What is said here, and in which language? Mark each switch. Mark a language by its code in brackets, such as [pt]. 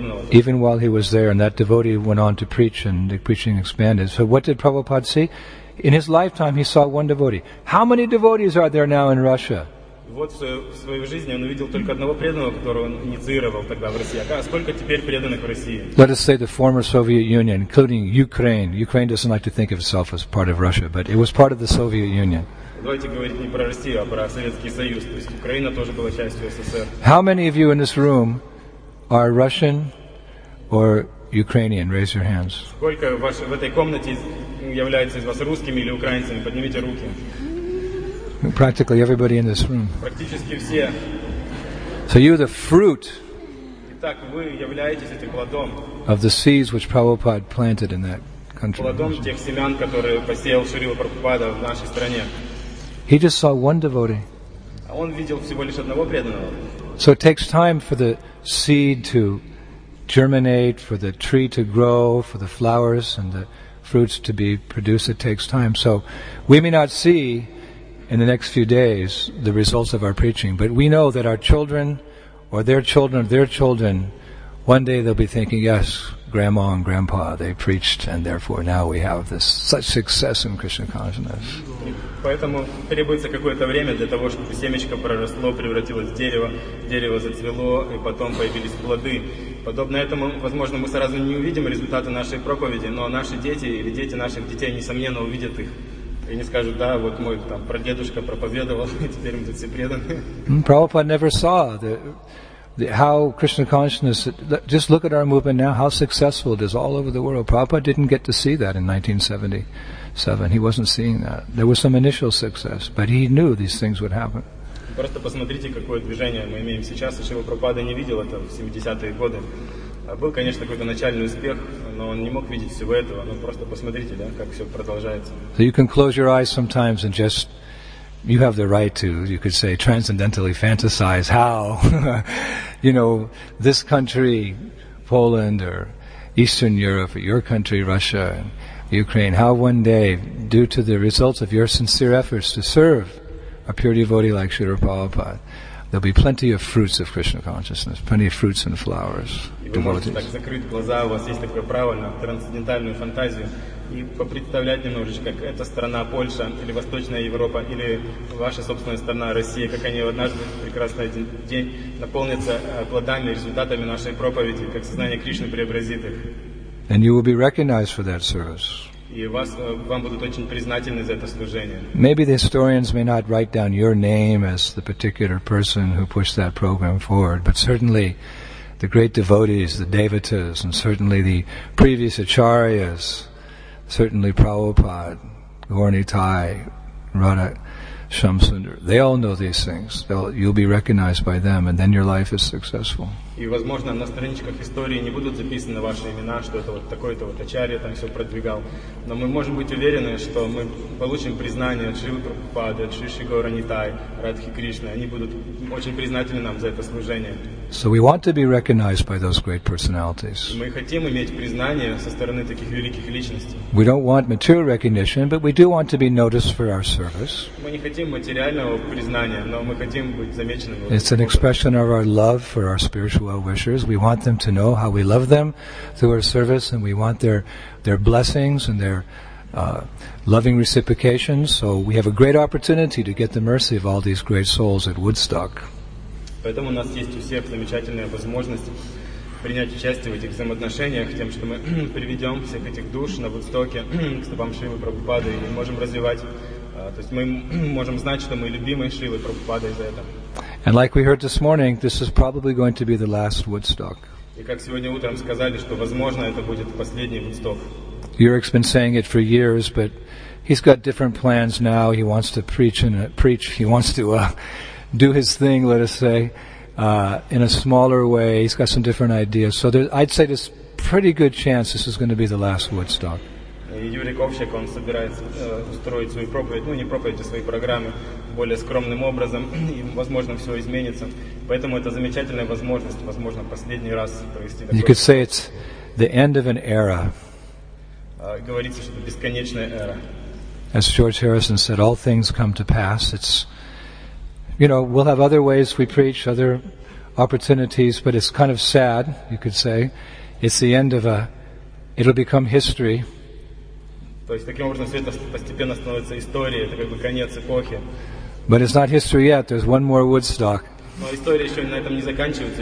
[en] Even while he was there, and that devotee went on to preach, and the preaching expanded. So what did Prabhupada see? In his lifetime, he saw one devotee. How many devotees are there now in Russia? [ru] Вот в своей жизни он увидел только одного преданного, которого он инициировал тогда в России. А сколько теперь преданных в России? [en] Let us say the former Soviet Union, including Ukraine. Ukraine doesn't like to think of itself as part of Russia, but it was part of the Soviet Union. [ru] Давайте говорить не про Россию, а про Советский Союз. То есть Украина тоже была частью СССР. [en] How many of you in this room are Russian or Ukrainian? Raise your hands. [ru] Сколько в этой комнате является из вас русскими или украинцами? Поднимите руки. [en] Practically everybody in this room. [ru] Практически все. [en] So you're the fruit. [ru] Итак, вы являетесь этим плодом. [en] Of the seeds which Prabhupada planted in that country. [ru] Плодом тех семян, которые посеял Шрила Прабхупада в нашей стране. [en] He just saw one devotee. [ru] А он видел всего лишь одного преданного. [en] So it takes time for the seed to germinate, for the tree to grow, for the flowers and the fruits to be produced. It takes time. So we may not see in the next few days the results of our preaching, but we know that our children or their children or their children, one day they'll be thinking, yes, grandma and grandpa, they preached, and therefore now we have this such success in Krishna consciousness. [ru] Поэтому требуется какое-то время для того, чтобы семечко проросло, превратилось в дерево, дерево зацвело, и потом появились плоды. Подобно этому, возможно, мы сразу не увидим результаты нашей проповеди, но наши дети или дети наших детей несомненно увидят их. И не скажут, да, вот мой там прадедушка проповедовал, и теперь мы тут все преданы. [en] Prabhupada never saw how Krishna consciousness, just look at our movement now, how successful it is all over the world. Prabhupada didn't get to see that in 1977. He wasn't seeing that. There was some initial success, but he knew these things would happen. [ru] Просто посмотрите, какое движение мы имеем сейчас. Шрила Прабхупада не видел это в 70-е годы. Был, конечно, какой-то начальный успех, но он не мог видеть всего этого. Но просто посмотрите, да, как все продолжается. [en] So you can close your eyes sometimes and just, you have the right to, you could say, transcendentally fantasize how, you know, this country, Poland, or Eastern Europe, or your country, Russia, and Ukraine, how one day, due to the results of your sincere efforts to serve a pure devotee like Śrīla Prabhupāda, there'll be plenty of fruits of Krishna consciousness, plenty of fruits and flowers. [ru] Вы можете так закрыть глаза, у вас есть такое право на трансцендентальную фантазию и попредставлять немножечко, как эта страна Польша или Восточная Европа или ваша собственная страна Россия, как они однажды прекрасный один день наполнятся плодами, результатами нашей проповеди, как сознание Кришны преобразит их. [en] And you will be recognized for that service. [ru] И вам будут очень признательны за это служение. [en] Maybe the historians may not write down your name as the particular person who pushed that program forward, but certainly the great devotees, the devatas, and certainly the previous acharyas, certainly Prabhupada, Gaurani Thai, Radha Shamsundar, they all know these things. You'll be recognized by them, and then your life is successful. [ru] И, возможно, на страничках истории не будут записаны ваши имена, что это вот такой-то вот ачарья там все продвигал. Но мы можем быть уверены, что мы получим признание от Шрилы Прабхупады, от Шри Гаурани Тай, Радхи Кришны. Они будут очень признательны нам за это служение. [en] So we want to be recognized by those great personalities. [ru] Мы хотим иметь признание со стороны таких великих личностей. [en] We don't want material recognition, but we do want to be noticed for our service. [ru] Мы не хотим материального признания, но мы хотим быть замеченными. [en] It's an expression of our love for our spiritual well-wishers. We want them to know how we love them through our service, and we want their blessings and their loving reciprocation. So we have a great opportunity to get the mercy of all these great souls at Woodstock. [ru] Поэтому у нас есть у всех замечательная возможность принять участие в этих взаимоотношениях, тем, что мы приведем всех этих душ на Вудстоке к стопам Шривы Прабхупады и можем развивать. То есть мы можем знать, что мы любимы Шривы Прабхупады за это. [en] And like we heard this morning, this is probably going to be the last Woodstock. [ru] И как сегодня утром сказали, что возможно это будет последний Вудсток. [en] Юрик's been saying it for years, but he's got different plans now. He wants to preach. He wants to do his thing, let us say, in a smaller way. He's got some different ideas. So I'd say there's pretty good chance this is going to be the last Woodstock. [ru] Юрий Ковчег, он собирается устроить свою проповедь, ну не проповедь, а свои программы более скромным образом, и, возможно, все изменится. Поэтому это замечательная возможность, возможно, последний раз провести такой... [en] You could say it's the end of an era. [ru] Говорится, что это бесконечная эра. [en] As George Harrison said, all things come to pass. It's, you know, we'll have other ways we preach, other opportunities, but it's kind of sad, you could say. It's the end of a... It'll become history. [ru] То есть таким образом все это постепенно становится историей, это как бы конец эпохи. [en] But it's not history yet. There's one more Woodstock. [ru] Но история еще на этом не заканчивается.